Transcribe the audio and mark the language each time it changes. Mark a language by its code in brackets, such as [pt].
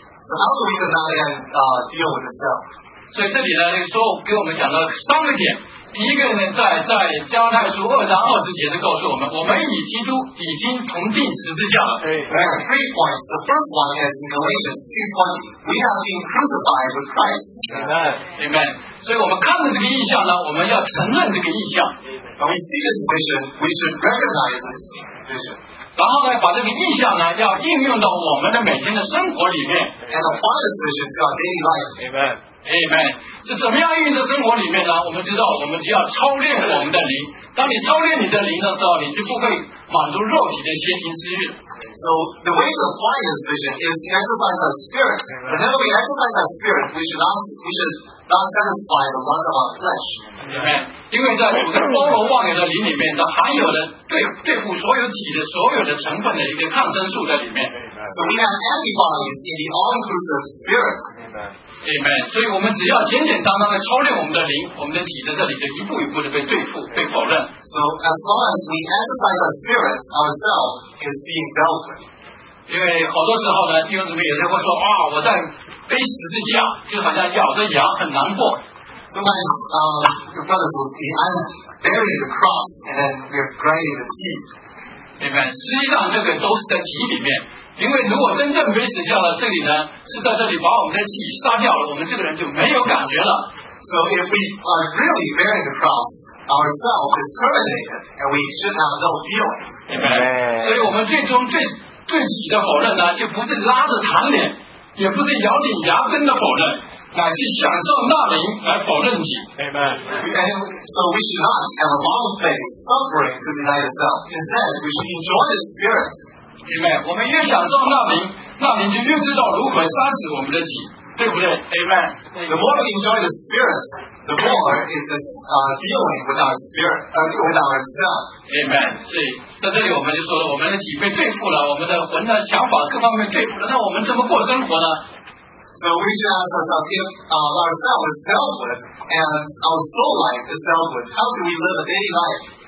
[en] ？So how do we deny and deal with the self? [zh] 所以这里呢，说给我们讲了三个点。第一个呢，在加拉太书二章二十节就告诉我们，我们与基督已经同定十字架了。 [en] Three points. The first one is Galatians 2:20. We have been crucified with Christ. Amen. Amen. [zh] 所以我们看到这个意象呢，我们要承认这个意象。 [en] When we see this vision, we should recognize this vision. [zh] 然后呢，把这个意象呢，要应用到我们的每天的生活里面。 [en] And apply this vision to our daily life. Amen. Amen. [zh] 这怎么样运用在生活里面呢？我们知道，我们只要操练我们的灵。当你操练你的灵的时候，你就不会满足肉体的邪情私欲。 [en] So the way to apply this vision is to exercise our spirit. Whenever we exercise our spirit, we should not satisfy the lust of our flesh. Amen. [zh] 因为在主的包罗万有的灵里面，它含有了对付所有己的所有的成分的一个抗生素在里面。 [en] So we have antibodies in the all-inclusive spirit. Amen. Amen. [zh] 所以我们只要简简单单的操练我们的灵，我们的体在这里就一步一步的被对付、被否认。 [en] So as long as we exercise our spirits, ourselves is being dealt with. [zh] 因为好多时候呢，弟兄姊妹有人会说啊，我在背十字架，就好像咬着牙很难过。 [en] Sometimes your brothers will be unburying the cross and then we're grinding the teeth. Amen. [zh] 实际上这个都是在体里面。因为如果真正被死掉了，这里呢是在这里把我们的己杀掉了，我们这个人就没有感觉了。 [en] So if we are really bearing the cross, ourselves is terminated, and we should have no feeling. Amen. [zh] 所以我们最终对己的否认呢，就不是拉着长脸，也不是咬紧牙根的否认，乃是享受那灵来否认己。 [en] Amen. And so we should not have a long face suffering to deny yourself. Instead, we should enjoy the spirit. Amen. [zh] 我们越享受那灵，那灵就越知道如何杀死我们的己，对不对 [en] ？Amen. The more we enjoy the spirit, the more is this dealing with our spirit, with our self. Amen. [zh] 所以在这里我们就说了，我们的己被对付了，我们的魂的想法各方面对付了，那我们怎么过生活呢 [en] ？So we should ask ourselves if our self is dealt with and our soul life is dealt with, how do we live a daily life?